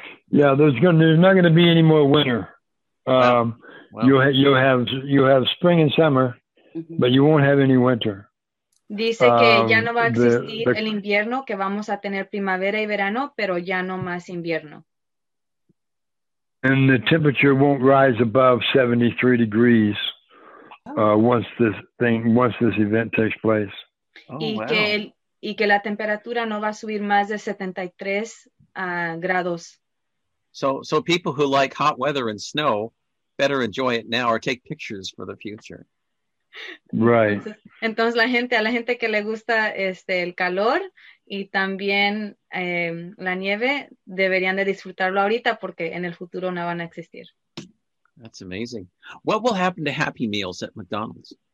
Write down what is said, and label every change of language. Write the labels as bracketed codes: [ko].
[en] Yeah, there's not going to be any more winter. You have spring and summer, but you won't have any winter. [es] Dice que ya no va a existir el invierno, que vamos a tener primavera y verano, pero ya no más invierno. [en] And the temperature won't rise above 73 degrees once this event takes place. Oh, wow. [es] Y que la temperatura no va a subir más de 73 grados. [en] So people who like hot weather and snow better enjoy it now or take pictures for the future. Right. [es] Entonces a la gente que le gusta el calor y también la nieve deberían de disfrutarlo ahorita porque en el futuro no van a existir. [en] That's amazing. What will happen to Happy Meals at McDonald's?